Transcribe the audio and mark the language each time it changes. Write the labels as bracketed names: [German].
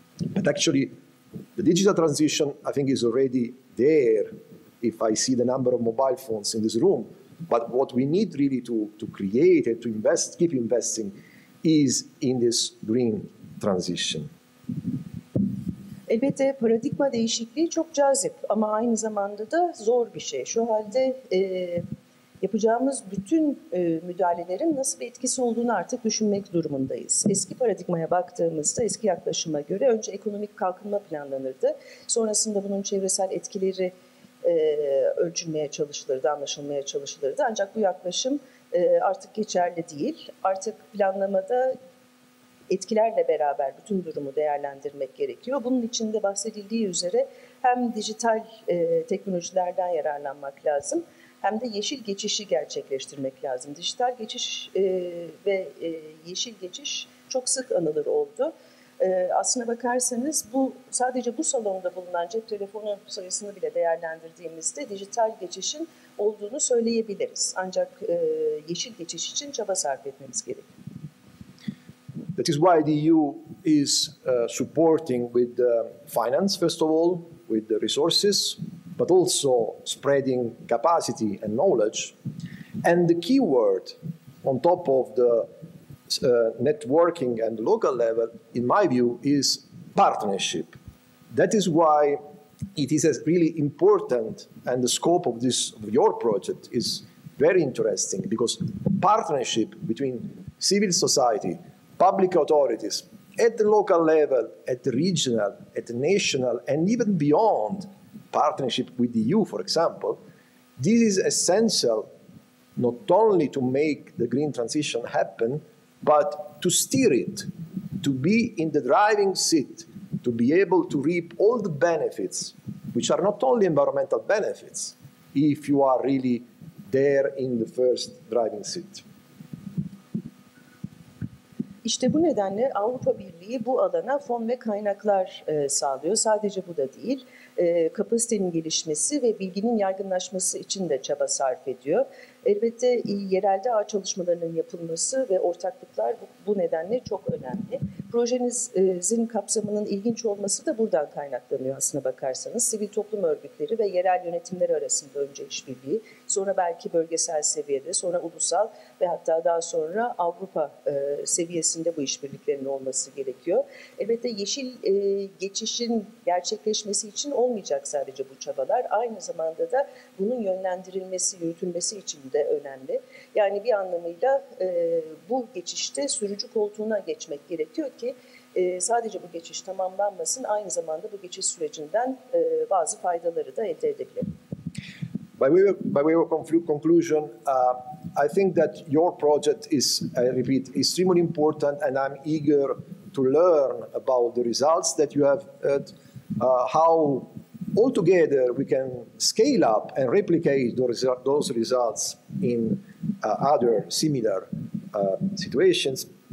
[English] But actually, the digital transition, I think, is already there if I see the number of mobile phones in this room. But what we need really to create and to invest, keep investing, is in this green transition. [Turkish] Elbette paradigma değişikliği çok cazip ama aynı zamanda da zor bir şey. Şu halde yapacağımız bütün müdahalelerin nasıl bir etkisi olduğunu artık düşünmek durumundayız. Eski paradigmaya baktığımızda, eski yaklaşıma göre önce ekonomik kalkınma planlanırdı. Sonrasında bunun çevresel etkileri ölçülmeye çalışılırdı, anlaşılmaya çalışılırdı. Ancak bu yaklaşım artık geçerli değil. Artık planlamada etkilerle beraber bütün durumu değerlendirmek gerekiyor. Bunun için de bahsedildiği üzere hem dijital teknolojilerden yararlanmak lazım, hem de yeşil geçişi gerçekleştirmek lazım. Dijital geçiş ve yeşil geçiş çok sık anılır oldu. Aslına bakarsanız bu sadece bu salonda bulunan cep telefonu sayısını bile değerlendirdiğimizde dijital geçişin olduğunu söyleyebiliriz. Ancak yeşil geçiş için çaba sarf etmemiz gerekiyor. [English] That is why the EU is supporting with the finance first of all, with the resources, but also spreading capacity and knowledge. And the key word on top of the networking and local level, in my view, is partnership. That is why it is as really important, and the scope of this of your project is very interesting, because partnership between civil society, public authorities, at the local level, at the regional, at the national, and even beyond, partnership with the EU, for example, this is essential not only to make the green transition happen, but to steer it, to be in the driving seat, to be able to reap all the benefits, which are not only environmental benefits, if you are really there in the first driving seat. [Turkish] İşte bu nedenle Avrupa Birliği bu alana fon ve kaynaklar sağlıyor. Sadece bu da değil, kapasitenin gelişmesi ve bilginin yaygınlaşması için de çaba sarf ediyor. Elbette yerelde ağ çalışmalarının yapılması ve ortaklıklar bu nedenle çok önemli. Projenizin kapsamının ilginç olması da buradan kaynaklanıyor aslına bakarsanız. Sivil toplum örgütleri ve yerel yönetimler arasında önce işbirliği, sonra belki bölgesel seviyede, sonra ulusal ve hatta daha sonra Avrupa seviyesinde bu işbirliklerinin olması gerekiyor. Elbette yeşil geçişin gerçekleşmesi için olmayacak sadece bu çabalar. Aynı zamanda da bunun yönlendirilmesi, yürütülmesi için de önemli. Yani bir anlamıyla bu geçişte sürücü koltuğuna geçmek gerekiyor ki sadece bu geçiş tamamlanmasın, aynı zamanda bu geçiş sürecinden bazı faydaları da elde edebilirim. [English] By way of conclusion, I think that your project is, I repeat, extremely important and I'm eager to learn about the results that you have had, how altogether, we can scale up and replicate those results in other similar situations.